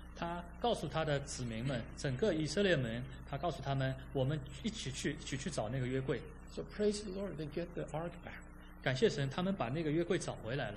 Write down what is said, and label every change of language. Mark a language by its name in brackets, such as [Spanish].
[Chinese] 他告诉他的子民们，整个以色列们，他告诉他们，我们一起去找那个约柜。 [English] So praise the Lord, they get the ark back. [Chinese] 感谢神，他们把那个约柜找回来了。